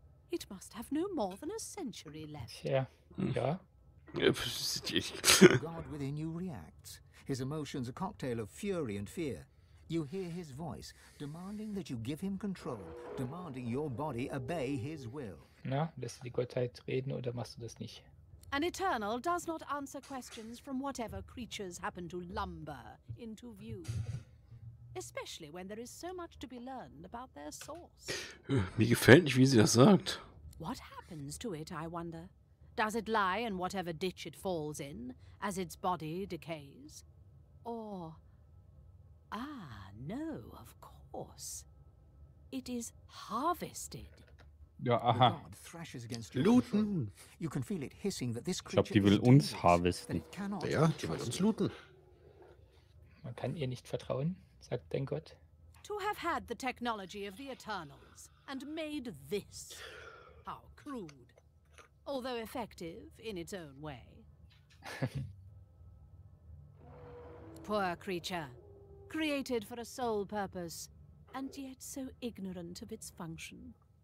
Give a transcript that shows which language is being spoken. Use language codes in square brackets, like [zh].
[en] It must have no more than a century left. Yeah. God within you reacts. His emotions a cocktail of fury and fear. You hear his voice, demanding that you give him control, demanding your body obey his will. [de] Na, lässt du die Gottheit reden oder machst du das nicht? [en] An Eternal does not answer questions from whatever creatures happen to lumber into view. Especially when there is so much to be learned about their source. [de] Mir gefällt nicht, wie sie das sagt. [en] What happens to it, I wonder? Does it lie in whatever ditch it falls in, as its body decays? Or... Ah, no, of course. it is harvested. [de] Ja, aha. [en] Looten! You can feel it hissing that this creature. [de] Ich glaube, die will uns harvesten. Ja, die will uns looten. Man kann ihr nicht vertrauen, sagt dein Gott. [en] To have had the technology of the Eternals and made this. How crude. Although effective in its own way. Poor creature. Created for a sole purpose and yet so ignorant of its function.